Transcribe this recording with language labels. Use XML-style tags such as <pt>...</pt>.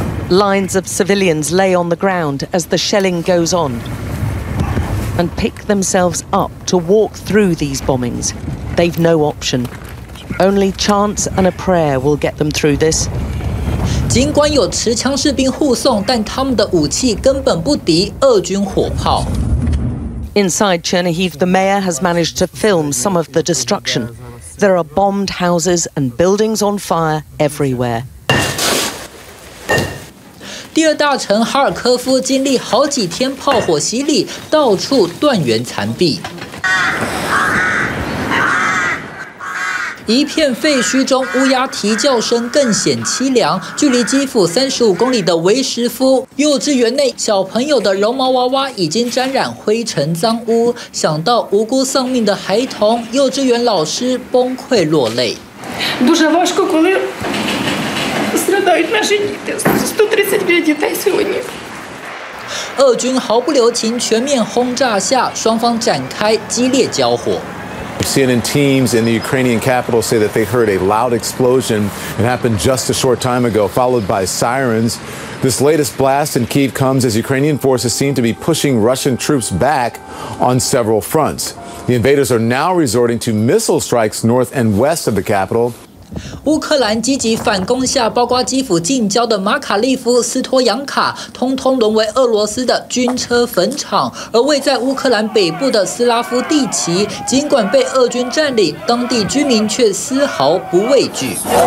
<en>Lines of civilians lay on the ground as the shelling goes on and pick themselves up to walk through these bombings. They've no option. Only chance and a prayer will get them through this.</en> <zh>尽管有持枪士兵护送，但他们的武器根本不敌俄军火炮。</zh> <en>Inside Chernihiv, the mayor has managed to film some of the destruction. There are bombed houses and buildings on fire everywhere.</en> <zh>第二大城哈尔科夫经历好几天炮火洗礼，到处断垣残壁，一片废墟中乌鸦啼叫声更显凄凉。距离基辅35公里的维什夫幼稚园内，小朋友的绒毛娃娃已经沾染灰尘脏污，想到无辜丧命的孩童，幼稚园老师崩溃落泪。</zh> <uk>Дуже важко, коли130</uk> <zh>俄军毫不留情，全面轰炸下，双方展开激烈交火。</zh> <en>CNN teams in the Ukrainian capital say that they heard a loud explosion. It happened just a short time ago, followed by sirens. This latest blast in Kyiv comes as Ukrainian forces seem to be pushing Russian troops back on several fronts. The invaders are now resorting to missile strikes north and west of the capital.</en> <zh>乌克兰积极反攻下，包括基辅近郊的马卡利夫、斯托扬卡，通通沦为俄罗斯的军车坟场。而位在乌克兰北部的斯拉夫蒂奇，尽管被俄军占领，当地居民却丝毫不畏惧。</zh>